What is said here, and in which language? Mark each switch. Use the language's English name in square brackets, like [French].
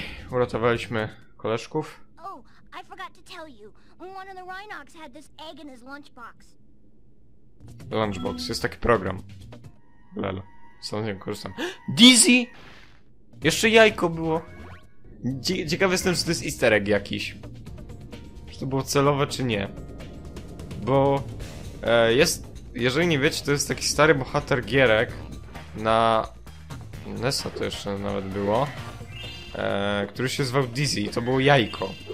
[Polish] Uratowaliśmy koleżków. [English] Oh, I forgot to tell you. One of the Rhinox had this egg in his lunchbox. [Polish] Lunchbox, jest taki program. Lel. Sam z niego korzystam. Dizzy! Jeszcze jajko było. Ciekawy jestem, czy to jest easter egg jakiś. Czy to było celowe, czy nie. Bo jest, jeżeli nie wiecie, to jest taki stary bohater gierek na NES-a to jeszcze nawet było, który się zwał Dizzy i to było jajko.